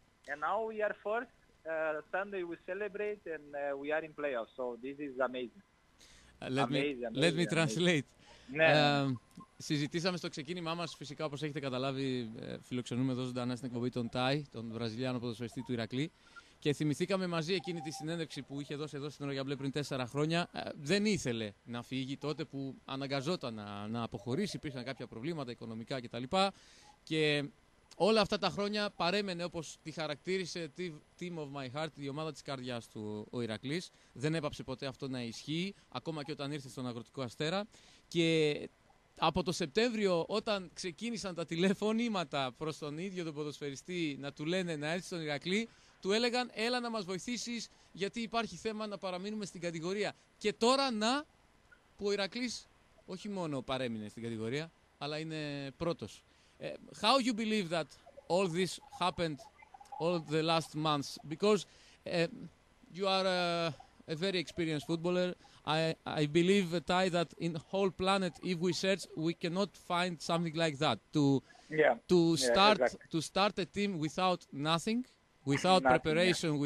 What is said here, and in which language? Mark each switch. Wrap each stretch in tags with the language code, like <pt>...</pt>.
<en>And now we are first. Sunday we celebrate and we are in playoffs. So this is amazing. Let me translate.</en> <el>Ναι. Συζητήσαμε στο ξεκίνημά μας, φυσικά όπως έχετε καταλάβει, φιλοξενούμε εδώ ζωντανά στην εκπομπή τον Τάι, τον Βραζιλιάνο ποδοσφαιριστή του Ηρακλή. Και θυμηθήκαμε μαζί εκείνη τη συνέντευξη που είχε δώσει εδώ στην Ρογιαμπλέ πριν 4 χρόνια. Δεν ήθελε να φύγει τότε που αναγκαζόταν να αποχωρήσει, υπήρχαν κάποια προβλήματα οικονομικά κτλ. Και όλα αυτά τα χρόνια παρέμενε όπως τη χαρακτήρισε</el> <en>Team of My Heart,</en> <el>η ομάδα της καρδιάς του ο Ηρακλής. Δεν έπαψε ποτέ αυτό να ισχύει, ακόμα και όταν ήρθε στον Αγροτικό Αστέρα. Και από το Σεπτέμβριο, όταν ξεκίνησαν τα τηλεφωνήματα προς τον ίδιο τον ποδοσφαιριστή να του λένε να έρθει στον Ηρακλή, του έλεγαν έλα να μας βοηθήσεις γιατί υπάρχει θέμα να παραμείνουμε στην κατηγορία. Και τώρα να, που ο Ηρακλής όχι μόνο παρέμεινε στην κατηγορία, αλλά είναι πρώτος.</el> <en>How you believe that all this happened all the last months? Because you are a very experienced footballer. I believe, Ty, that in whole planet, if we search, we cannot find something like that. To start a team without nothing, without nothing, preparation, yeah.</en>